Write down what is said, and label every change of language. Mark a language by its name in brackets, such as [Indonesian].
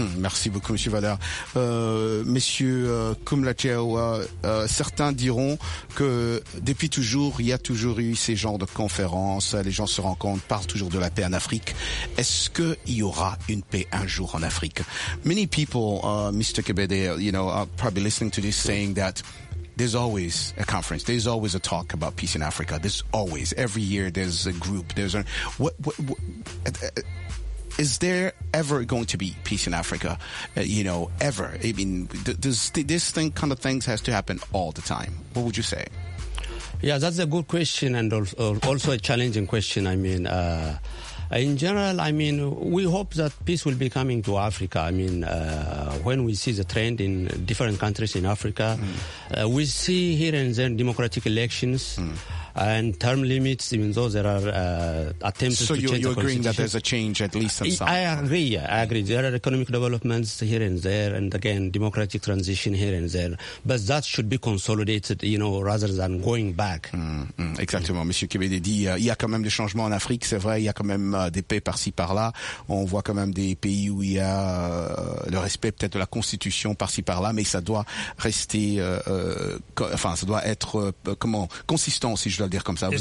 [French] Merci beaucoup, M. Valère. Monsieur Kumlacheawa, certains diront que depuis toujours, il y a toujours eu ces genres de conférences, les gens se rencontrent, parlent toujours de la paix en Afrique. Est-ce qu'il y aura une paix un jour en Afrique? [English] Many people, Mr. Kebede, you know, are probably listening to this saying that there's always a conference, there's always a talk about peace in Africa. There's always, every year there's a group, there's a... Is there ever going to be peace in Africa, you know, ever? I mean, does this thing kind of things has to happen all the time? What would you say? Yeah, that's a good question and also a challenging question. I mean, in general, I mean, we hope that peace will be coming to Africa. I mean, when we see the trend in different countries in Africa, we see here and there democratic elections. And term limits, even though there are attempts So you're agreeing that there's a change at least in some? I agree. There are economic developments here and there, and again, democratic transition here and there. But that should be consolidated, you know, rather than going back. [French] Exactement. Monsieur Kebede dit, il y a quand même des changements en Afrique, c'est vrai, il y a quand même des paix par-ci, par-là. On voit quand même des pays où il y a le respect peut-être de la constitution par-ci, par-là, mais ça doit rester, enfin, ça doit être, comment, consistant aussi. Je dois le dire comme ça.